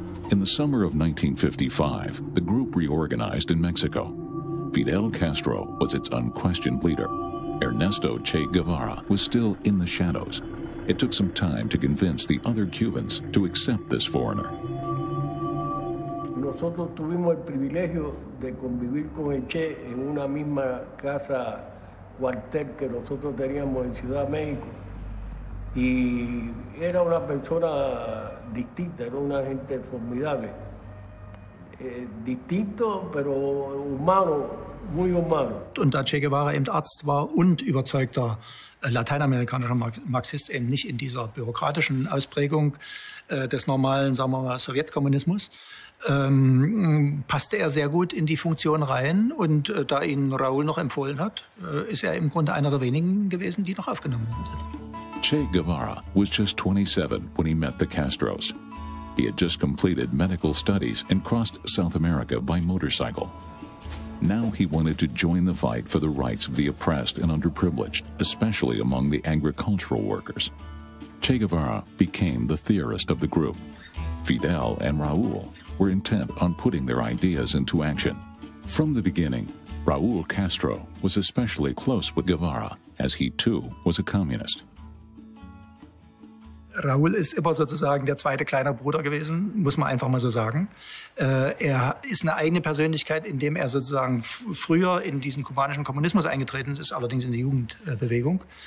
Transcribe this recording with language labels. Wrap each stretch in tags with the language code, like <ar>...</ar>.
<en>In the summer of 1955, the group reorganized in Mexico. Fidel Castro was its unquestioned leader. Ernesto Che Guevara was still in the shadows. It took some time to convince the other Cubans to accept this foreigner.</en> <es>Nosotros tuvimos el privilegio de convivir con Che en una misma casa cuartel que nosotros teníamos en Ciudad México. Y era una persona distinta, era una gente formidable. Distinto, pero humano, muy humano.</es> <de>Und da Che Guevara eben Arzt war und überzeugter lateinamerikanischer Marxist, eben nicht in dieser bürokratischen Ausprägung des normalen, sagen wir mal, Sowjetkommunismus, passte er sehr gut in die Funktion rein und da ihn Raúl noch empfohlen hat, ist er im Grunde einer der wenigen gewesen, die noch aufgenommen worden sind.</de> <en>Che Guevara was just 27 when he met the Castros. He had just completed medical studies and crossed South America by motorcycle. Now he wanted to join the fight for the rights of the oppressed and underprivileged, especially among the agricultural workers. Che Guevara became the theorist of the group. Fidel and Raúl were intent on putting their ideas into action. From the beginning, Raúl Castro was especially close with Guevara, as he too was a communist.</en> <de>Raúl ist immer sozusagen der zweite kleine Bruder gewesen, muss man einfach mal so sagen. Er ist eine eigene Persönlichkeit, indem er sozusagen früher in diesen kubanischen Kommunismus eingetreten ist, allerdings in die Jugendbewegung.</de>